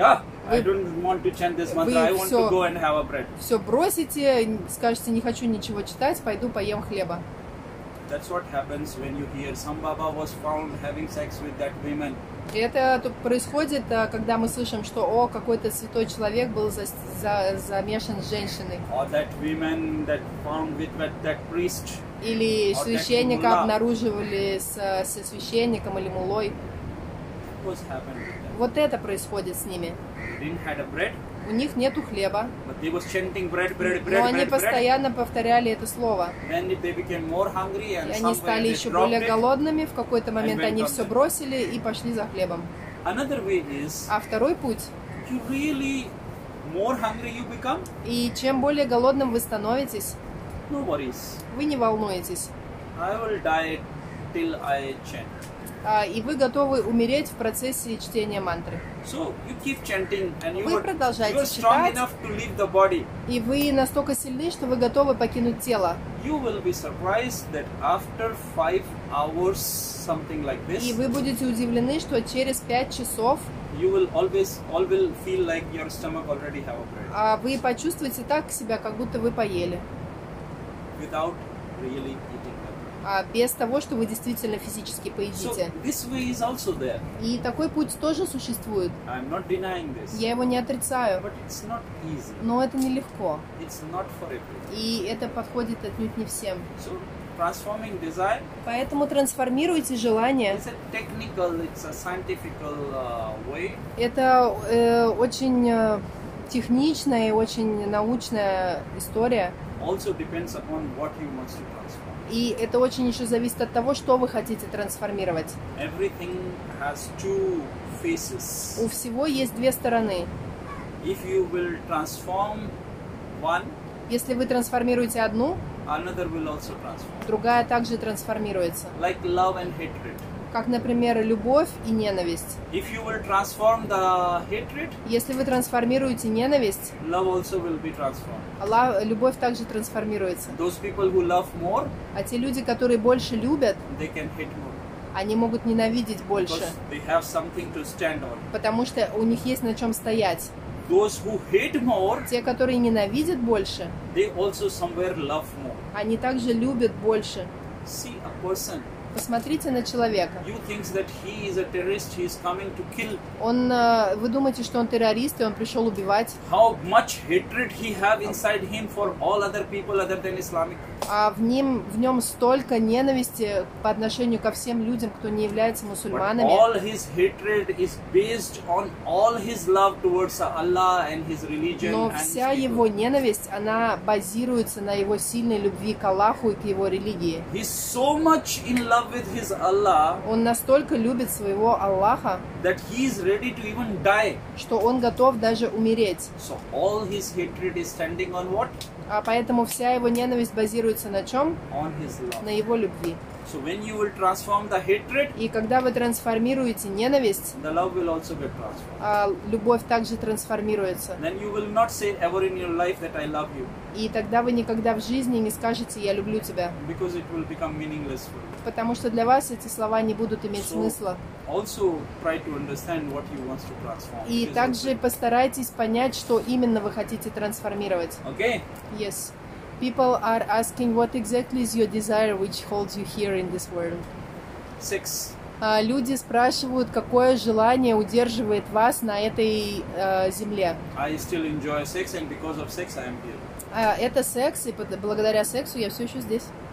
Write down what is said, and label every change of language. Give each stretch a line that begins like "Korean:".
English: I don't want to chant this mantra. I want to go and have a bread.
Russian: Все бросите, скажете, не хочу ничего читать, пойду поем хлеба.
English: That's what happens when you hear some Baba was found having sex with that woman.
Russian: Это происходит, когда мы слышим, что какой-то святой человек был замешан с женщиной.
English: Or that woman that found with that priest.
Russian: Или священника обнаруживали со священником или мулой.
English: What's happened?
Russian: Вот это происходит с ними.
English: Didn't have a bread.
Russian: У них нету хлеба.
English: But they was chanting bread, bread, bread.
Russian: Но они постоянно повторяли это слово.
English: Then they became more hungry and
Russian: и они стали еще более голодными. В какой-то момент они все бросили и пошли за хлебом.
English: Another way is.
Russian: А второй путь.
English: You really more hungry you become.
Russian: И чем более голодным вы становитесь.
English: No worries.
Russian: Вы не волнуетесь.
English: I will die till I chant.
Russian: И вы готовы умереть в процессе чтения мантры.
English: So you keep chanting, and
Russian: вы продолжаете читать.
English: You are strong enough to leave the body.
Russian: И вы настолько сильны, что вы готовы покинуть тело.
English: You will be surprised that after 5 hours something like this.
Russian: И вы будете удивлены, что через 5 часов.
English: You will always feel like your stomach already have a bread.
Russian: Вы почувствуете так себя, как будто вы поели.
English: Without really eating.
Russian: Без того, что вы действительно физически поедите.
English: So, this way is also there.
Russian: И такой путь тоже существует.
English: I'm not denying this.
Russian: Я его не отрицаю.
English: But it's not easy.
Russian: Но это нелегко.
English: It's not for everyone.
Russian: И это подходит отнюдь не всем.
English: So, transforming desire,
Russian: поэтому трансформируйте желание.
English: It's a technical, it's a scientifical, way.
Russian: Это очень техничная и очень научная история.
English: Also depends upon what you want to transform.
Russian: И это очень еще зависит от того, что вы хотите трансформировать.
English: Everything has two faces.
Russian: У всего есть две стороны.
English: If you will transform one,
Russian: если вы трансформируете одну,
English: another will also transform.
Russian: Другая также трансформируется.
English: Like love and hatred.
Russian: Как, например, любовь и ненависть.
English: If you will transform the hatred,
Russian: если вы трансформируете ненависть,
English: love also will be transformed.
Russian: Любовь также трансформируется.
English: Those people who love more,
Russian: а те люди, которые больше любят,
English: they can hate more.
Russian: Они могут ненавидеть больше.
English: Because they have something to stand on.
Russian: Потому что у них есть на чем стоять.
English: Those who hate more,
Russian: те, которые ненавидят больше,
English: they also somewhere love more.
Russian: Они также любят больше.
English: See a person.
Russian: Посмотрите на человека.
English: You think that he is a terrorist, he is coming to kill.
Russian: Он, вы думаете, что он террорист, и он пришел убивать?
English: How much hatred he have inside him for all other people other than Islamic?
Russian: В нем столько ненависти по отношению ко всем людям, кто не является мусульманами.
English: But all his hatred is based on all his love towards Allah and his religion.
Russian: Но вся его ненависть, она базируется на его сильной любви к Аллаху и к его религии.
English: He's so much in love love with his Allah.
Russian: Он настолько любит своего Аллаха,
English: that he is ready to even die.
Russian: Что он готов даже умереть.
English: So all his hatred is standing on what?
Russian: А поэтому вся его ненависть базируется на чем?
English: On his love.
Russian: На его любви.
English: So when you will transform the hatred,
Russian: и когда вы трансформируете ненависть,
English: the love will also get transformed.
Russian: А любовь также трансформируется.
English: Then you will not say ever in your life that I love you.
Russian: И тогда вы никогда в жизни не скажете «я люблю тебя».
English: Because it will become meaningless for you.
Russian: Потому что для вас эти слова не будут иметь смысла.
English: Also try to understand what you want to transform.
Russian: И также постарайтесь понять, что именно вы хотите трансформировать.
English: Okay. Yes. People are asking, what exactly is your desire, which holds you here in this world? Sex.
Russian: Люди спрашивают, какое желание удерживает вас на этой земле.
English: I still enjoy sex, and because of sex, I am here.
Russian: Это секс, и благодаря сексу я все еще здесь.